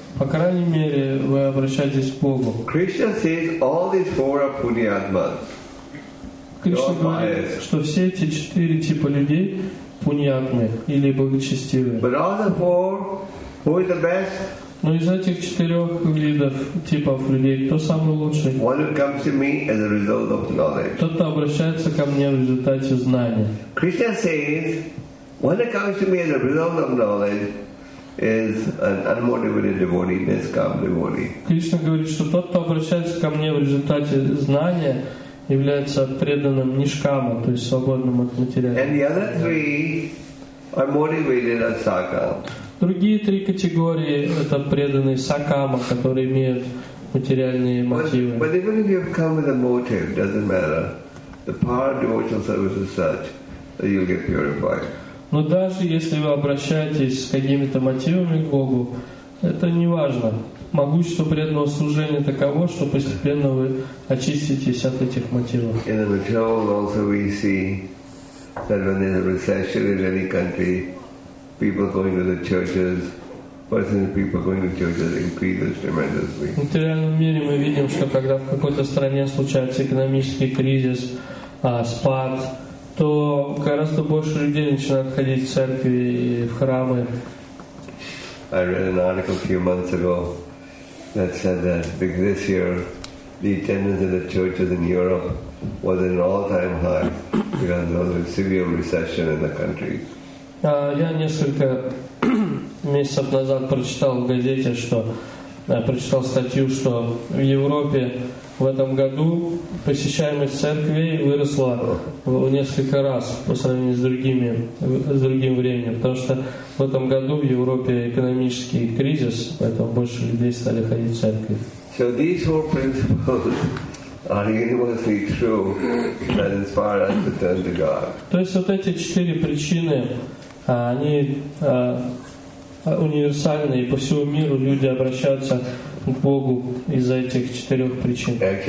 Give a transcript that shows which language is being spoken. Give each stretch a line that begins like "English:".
Russian: По крайней мере, вы обращаетесь к Богу.
English: Krishna says all these four are Punyatmas.
Russian: Кришна говорит, что все эти 4 типа людей пуньятмы или благочестивые.
English: But all the four, who is the best?
Russian: Но из этих 4 видов типов людей, кто самый лучший?
English: One who comes to me as a result of knowledge.
Russian: Тот, кто обращается ко мне в результате знания.
English: Krishna says, when it comes to me as a result of knowledge, is an unmotivated devotee, niskam devotee.
Russian: Кришна говорит, что тот, кто обращается ко мне в результате знания, является преданным нишкама, то есть свободным от материала.
English: And the other three are motivated as sakam.
Russian: Другие 3 категории — это преданные сакама, которые имеют материальные мотивы.
English: But even if you come with a motive, doesn't matter. The power of devotional service is such that you'll get purified.
Russian: Но даже если вы обращаетесь с какими-то мотивами к Богу, это не важно. Могущество преданного служения таково, что постепенно вы очиститесь от этих мотивов.
English: In the material also we see that when there's a recession in any country, people going to the churches, percentage of people going to churches increases tremendously.
Russian: В материальном мире мы видим, что когда в какой-то стране случается экономический кризис, спад, то гораздо больше людей начинают ходить в церкви и в храмы.
English: I read an article a few months ago that said that this year the attendance at the churches in Europe was at an all-time high because there was a severe recession in the country.
Russian: Я несколько месяцев назад прочитал в газете, что прочитал статью, что в Европе в этом году посещаемость церквей выросла в несколько раз по сравнению с другим временем, потому что в этом году в Европе экономический кризис, поэтому больше людей стали ходить в церкви.
English: So these four principles are universally true that inspire us to turn to God.
Russian: То есть вот эти 4 причины, они универсальны, и по всему миру люди обращаются к Богу из-за этих 4 причин.